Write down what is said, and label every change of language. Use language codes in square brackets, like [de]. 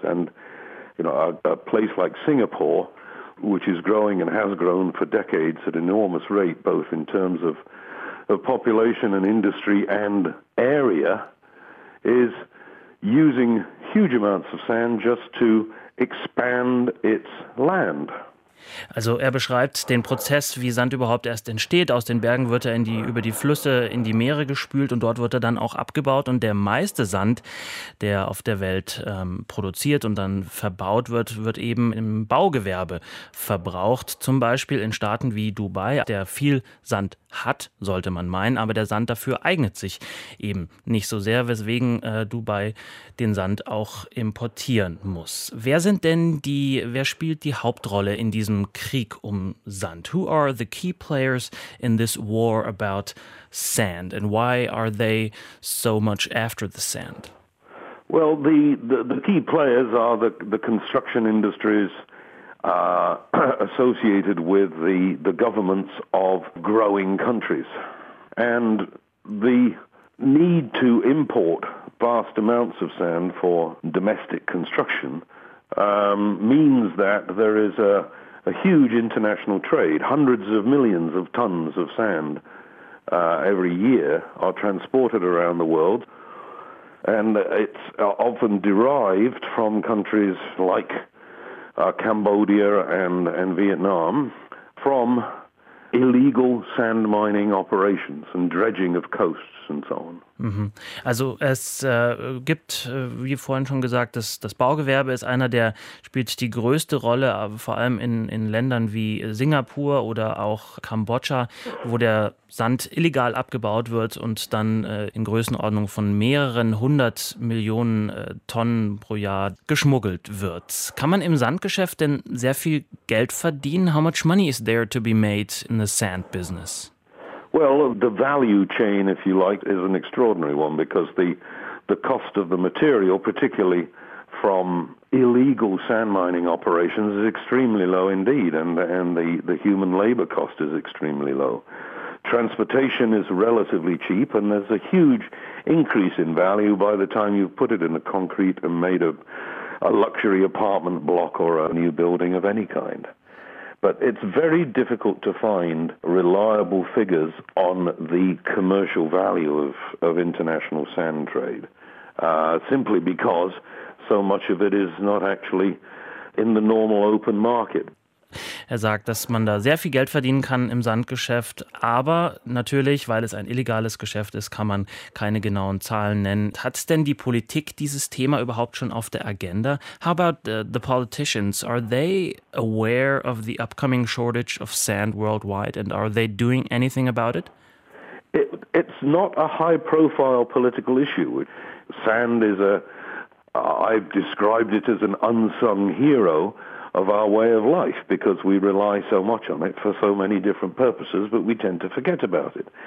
[en] And, you know, a place like Singapore, which is growing and has grown for decades at an enormous rate, both in terms of population and industry and area, is using huge amounts of sand just to expand its land. [de] Also er beschreibt den Prozess, wie Sand überhaupt erst entsteht. Aus den Bergen wird er über die Flüsse in die Meere gespült und dort wird er dann auch abgebaut. Und der meiste Sand, der auf der Welt produziert und dann verbaut wird, wird eben im Baugewerbe verbraucht. Zum Beispiel in Staaten wie Dubai, der viel Sand hat, sollte man meinen. Aber der Sand dafür eignet sich eben nicht so sehr, weswegen Dubai den Sand auch importieren muss. Wer spielt die Hauptrolle in diesem Krieg um Sand? [en] Who are the key players in this war about sand and why are they so much after the sand? Well, the key players are the construction industries associated with the governments of growing countries. And the need to import vast amounts of sand for domestic construction means that there is a huge international trade. Hundreds of millions of tons of sand every year are transported around the world, and it's often derived from countries like Cambodia and Vietnam from illegal sand mining operations and dredging of coasts and so on. [de] Also es gibt, wie vorhin schon gesagt, das Baugewerbe ist einer, der spielt die größte Rolle, vor allem in Ländern wie Singapur oder auch Kambodscha, wo der Sand illegal abgebaut wird und dann in Größenordnung von mehreren hundert Millionen Tonnen pro Jahr geschmuggelt wird. Kann man im Sandgeschäft denn sehr viel Geld verdienen? [en] How much money is there to be made in the sand business? Well, the value chain, if you like, is an extraordinary one, because the cost of the material, particularly from illegal sand mining operations, is extremely low indeed, and the human labor cost is extremely low. Transportation is relatively cheap, and there's a huge increase in value by the time you've put it in the concrete and made a luxury apartment block or a new building of any kind. But it's very difficult to find reliable figures on the commercial value of international sand trade, simply because so much of it is not actually in the normal open market. [de] Er sagt, dass man da sehr viel Geld verdienen kann im Sandgeschäft, aber natürlich, weil es ein illegales Geschäft ist, kann man keine genauen Zahlen nennen. Hat denn die Politik dieses Thema überhaupt schon auf der Agenda? [en] How about the politicians? Are they aware of the upcoming shortage of sand worldwide and are they doing anything about it? It's not a high-profile political issue. Sand is I've described it as an unsung hero of our way of life, because we rely so much on it for so many different purposes, but we tend to forget about it.